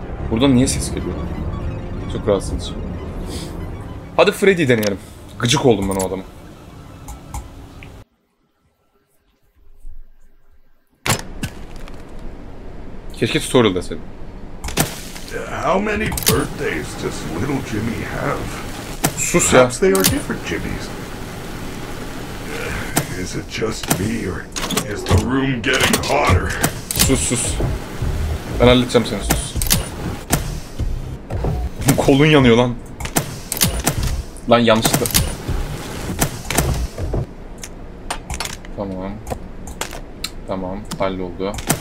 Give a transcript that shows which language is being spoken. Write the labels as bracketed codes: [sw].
[tr] Buradan niye ses geliyor? Çok rahatsızız. Hadi Freddy'yi deneyelim. Gıcık oldum ben o adama. Keşke tutorial deseydim. [en] How many birthdays does little Jimmy have? [tr] Sus ya. [en] They are different Jimmys. Is it just me or is the room getting hotter? [tr] Sus sus. Ben halledeceğim seni, sus. Kolun yanıyor lan. Lan yanlışlıkla. Tamam. Tamam, halloldu.